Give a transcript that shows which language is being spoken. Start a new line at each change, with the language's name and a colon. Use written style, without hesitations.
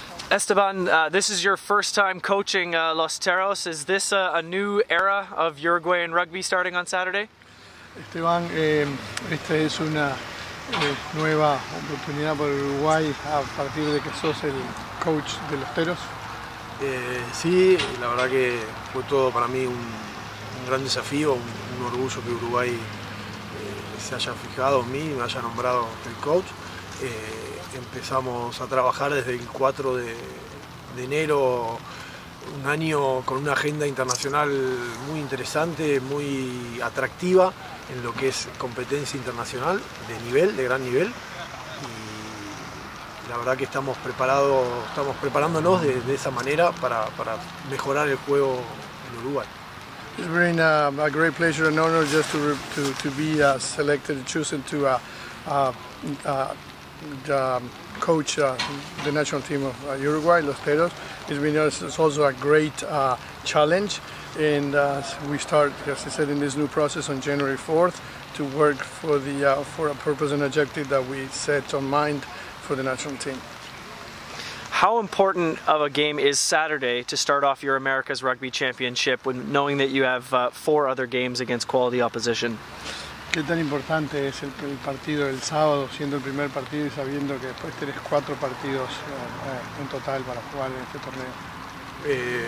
English: Esteban, this is your first time coaching Los Terros. Is this a new era of Uruguayan rugby starting on Saturday?
Spanish: Esteban, esta es una nueva oportunidad para Uruguay a partir de que sos el coach de Los Terros. Sí, la verdad que fue todo para mí un gran desafío, un orgullo que Uruguay se haya fijado en mí y me haya nombrado el coach. Empezamos a trabajar desde el 4 de enero, un año con una agenda internacional muy interesante, muy atractiva en lo que es competencia internacional de nivel, de gran nivel. Y la verdad que estamos preparándonos de esa manera para mejorar el juego en Uruguay.
English: It's been a great pleasure and honor just to be selected, chosen to coach the national team of Uruguay, Los Terros. It's also a great challenge, and we start, as I said, in this new process on January 4th to work for a purpose and objective that we set on mind for the national team. How important of a game is Saturday to start off your Americas Rugby Championship, when knowing that you have four other games against quality opposition?
Spanish: Qué tan importante es el partido del sábado, siendo el primer partido y sabiendo que después tenés cuatro partidos en total para jugar en este torneo.